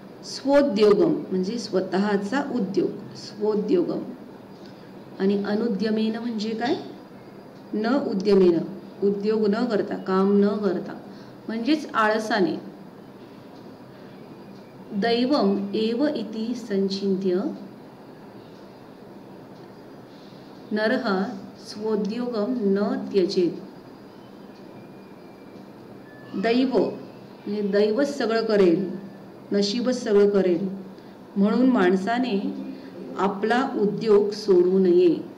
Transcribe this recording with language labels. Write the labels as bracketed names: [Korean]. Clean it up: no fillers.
[Marathi] स्वोद्योगम म्हणजे स्वतःचा उद्योग, स्वोद्योगम। आणि अनुद्यमेन म्हणजे काय? न उद्यमेन, उद्योग न करता, काम न करता, म्हणजेच आळसाने, [Sanskrit] दैवम एव इति संचिन्त्य नरः स्वोद्योगं न त्यजेत्। [Marathi] दैव म्हणजे दैवच सगळं करेल, नशीबच सगळं करेल, म्हणून माणसाने आपला उद्योग सोडू नये।